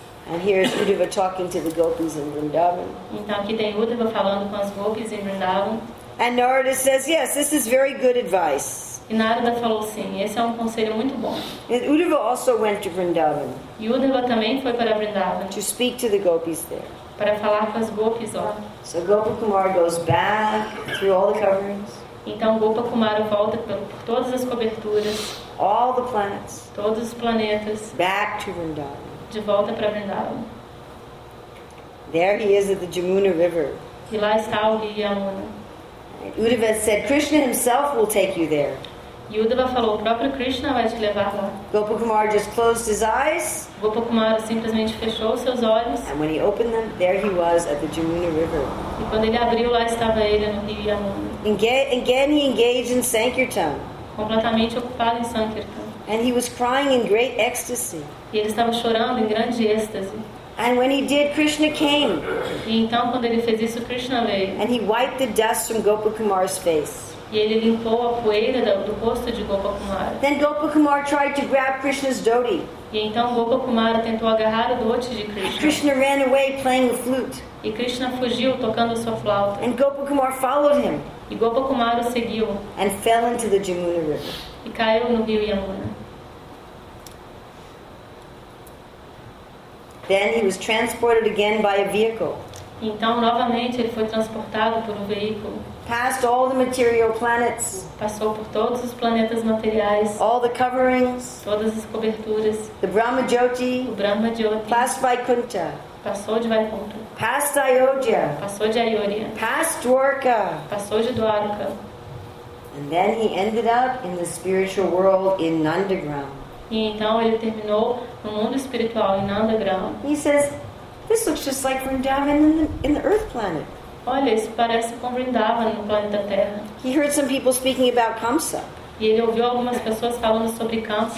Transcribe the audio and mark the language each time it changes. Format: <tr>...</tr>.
<en>And here's Uddhava talking to the gopis in Vrindavan.</en> <pt>Então aqui tem Uddhava falando com as gopis em Vrindavan.</pt> <en>And Narada says, "Yes, this is very good advice."</en> <pt>E Narada falou, sim, esse é conselho muito bom.</pt> <en>And Uddhava also went to Vrindavan.</en> <pt>E Uddhava também foi para Vrindavan.</pt> <en>To speak to the gopis there.</en> <pt>Para falar com as gopis lá.</pt> <en>So Gopakumar goes back through all the coverings.</en> <pt>Então Gopakumar volta por todas as coberturas.</pt> <en>All the planets.</en> <pt>Todos os planetas.</pt> <en>Back to Vrindavan.</en> <pt>De volta para Vrindavan.</pt> <en>There he is at the Jamuna River.</en> <pt>E lá está o rio Yamuna.</pt> <en>Uddhava said, "Krishna himself will take you there."</en> <pt>E Uddhava falou, o próprio Krishna vai te levar lá.</pt> <en>Gopakumar just closed his eyes.</en> <pt>Gopakumar simplesmente fechou seus olhos.</pt> <en>And when he opened them, there he was at the Jamuna River.</en> <pt>E quando ele abriu, lá estava ele no rio Yamuna.</pt> <en>Again he engaged in Sankirtan.</en> <pt>Completamente ocupado em Sankirtan.</pt> <en>And he was crying in great ecstasy.</en> <pt>E ele estava chorando em grande êxtase.</pt> <en>And when he did, Krishna came.</en> <pt>E então quando ele fez isso, Krishna veio.</pt> <en>And he wiped the dust from Gopakumar's face.</en> <pt>E ele limpou a poeira do rosto de Gopakumar.</pt> <en>Then Gopakumar tried to grab Krishna's dhoti.</en> <pt>E então Gopakumar tentou agarrar o dhoti de Krishna.</pt> <en>And Krishna ran away playing the flute.</en> <pt>E Krishna fugiu tocando sua flauta.</pt> <en>And Gopakumar followed him.</en> <pt>E Gopakumar o seguiu.</pt> <en>And fell into the Jamuna River.</en> <pt>E caiu no rio Yamuna.</pt> <en>Then he was transported again by a vehicle.</en> <pt>Então novamente ele foi transportado por veículo.</pt> <en>Past all the material planets.</en> <pt>Passou por todos os planetas materiais.</pt> <en>All the coverings.</en> <pt>Todas as coberturas.</pt> <en>The Brahma Jyoti.</en> <pt>O Brahma Jyoti.</pt> <en>Past Vaikuntha.</en> <pt>Passou de Vaikuntha.</pt> <en>Past Ayodhya.</en> <pt>Passou de Ayodhya.</pt> <en>Past Dwarka.</en> <pt>Passou de Dwarka.</pt> <en>And then he ended up in the spiritual world in Nandagram.</en> <pt>E então ele terminou no mundo espiritual em Nandagram.</pt> <en>He says, "This looks just like Vrindavan in the Earth planet."</en> <pt>Olha, isso parece com Vrindavan no planeta Terra.</pt> <en>He heard some people speaking about Kamsa.</en> <pt>E ele ouviu algumas pessoas falando sobre Kamsa.</pt>